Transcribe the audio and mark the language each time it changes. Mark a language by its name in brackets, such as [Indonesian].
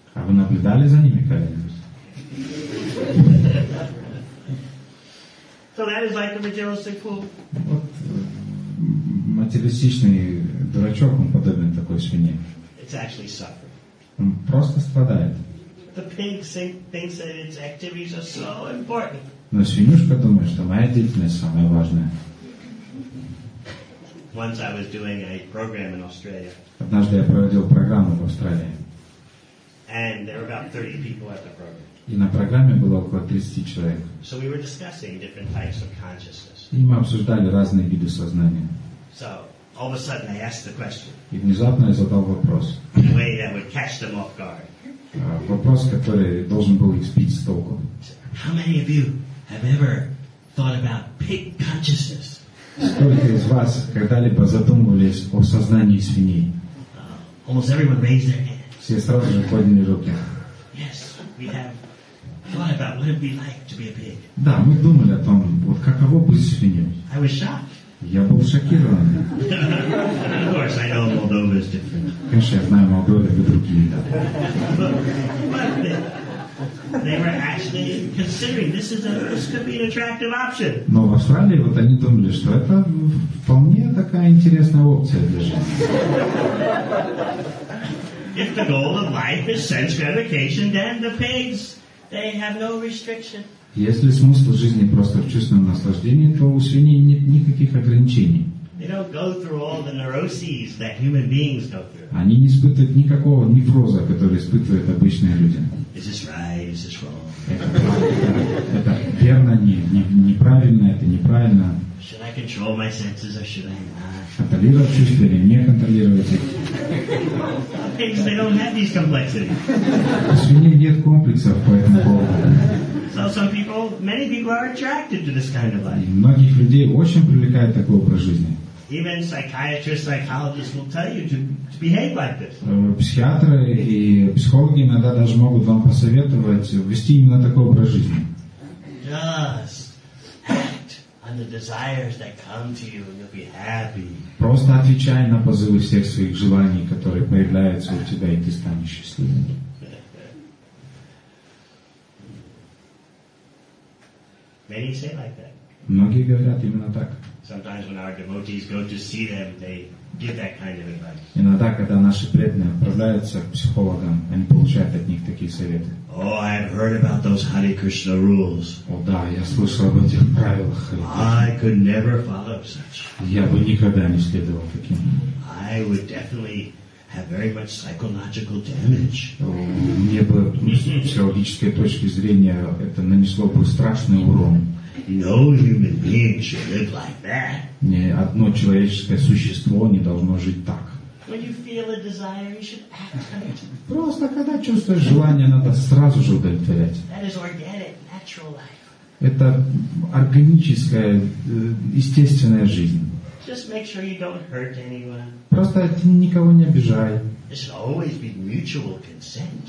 [Russian] А вы наблюдали за ними когда-нибудь? [English] So that is like a materialistic fool. [Russian] Вот материалистичный дурачок, он подобен такой свинье. [English] It's actually suffering. [Russian] Он просто страдает. [English] The pig thinks that its activities are so important. [Russian] Но свинюшка думает, что моя деятельность самая важная. [English] Once I was doing a program in Australia. [Russian] Однажды я проводил программу в Австралии. [English] And there were about 30 people at the program. [Russian] И на программе было около 30 человек. [English] So we were discussing different types of consciousness. [Russian] И мы обсуждали разные виды сознания. [English] So all of a sudden I asked the question. [Russian] И внезапно я задал вопрос. [English] In a way that would catch them off guard. [Russian] Вопрос, который должен был их сбить с толку. [English] How many of you have ever thought about pig consciousness? [Russian] Сколько из вас когда-либо задумывались о сознании свиней? [English] Almost everyone raised their hand. [Russian] Все сразу же подняли руки. [English] Yes, we have thought about what it would be like to be a pig. [Russian] Да, мы думали о том, вот каково быть свиньей. [English] I was shocked. [Russian] Я был шокирован. [English] Of course, I know Moldova is different. [Russian] Конечно, я знаю, Молдова и другие. [English] They were actually considering this could be an attractive option. [Russian] Но в Австралии вот они думали, что это вполне такая интересная опция для жизни. [English] If the goal of life is sense gratification, then the pigs they have no restriction. [Russian] Если смысл жизни просто в чувственном наслаждении, то у свиней нет никаких ограничений. [English] They don't go through all the neuroses that human beings go through. [Russian] Они не испытывают никакого невроза, который испытывают обычные люди. [English] Is this right? Is this wrong? [Russian] Это верно, неправильно, это неправильно. [English] Should I control my senses or should I not? [Russian] Контролировать чувства или не контролировать их? [English] Pigs, they don't have these complexities. [Russian] У свиней нет комплексов по этому поводу. [English] So some people, many people are attracted to this kind of life. [Russian] И многих людей очень привлекает такой образ жизни. [English] Even psychiatrists, psychologists will tell you to behave like this. [Russian] Психиатры и психологи иногда даже могут вам посоветовать вести именно такой образ жизни. [English] Just act on the desires that come to you and you'll be happy. [Russian] Просто отвечай на позывы всех своих желаний, которые появляются у тебя, и ты станешь счастливым. [English] Many say like that. [Russian] Многие говорят именно так. [English] Sometimes when our devotees go to see them, they give that kind of advice. [Russian] Иногда, когда наши преданные отправляются к психологам, они получают от них такие советы. [English] Oh, I have heard about those Hare Krishna rules. [Russian] О, да, я слышал об этих правилах Hare [English] Krishna. I could never follow such. [Russian] Я бы никогда не следовал таким. [English] I would definitely have very much psychological damage. [Russian] Мне бы, с психологической точки зрения, это нанесло бы страшный урон. [English] No human being should live like that. [Russian] Ни одно человеческое существо не должно жить так. [English] When you feel a desire, you should act on it. [Russian] Просто когда чувствуешь желание, надо сразу же удовлетворять. [English] That is organic, natural life. [Russian] Это органическая, естественная жизнь. [English] Just make sure you don't hurt anyone. [Russian] Просто никого не обижай. [English] It should always be mutual consent.